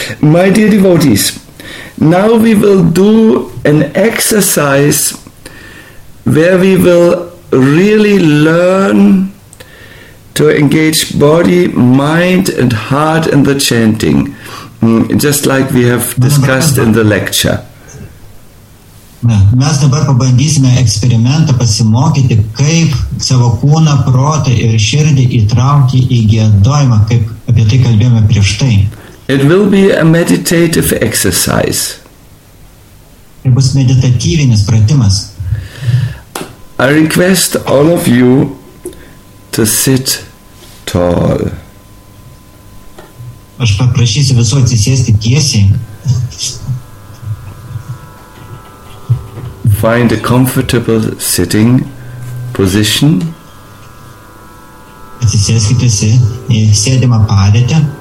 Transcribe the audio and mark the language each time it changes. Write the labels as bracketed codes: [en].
[en] My dear devotees, now we will do an exercise where we will really learn to engage body, mind and heart in the chanting, just like we have discussed in the lecture. [lt] Mes dabar pabandysime eksperimentą pasimokyti, kaip savo kūną, protą ir širdį įtraukti į giedojimą, kaip apie tai kalbėjome prieš tai. [en] It will be a meditative exercise. [lt] Tai bus meditatyvinis pratimas. [en] I request all of you to sit tall. [lt] Aš paprašysiu visų atsisėsti tiesiai. [en] Find a comfortable sitting position. [lt] Atsisėskite į sėdimą padėtį.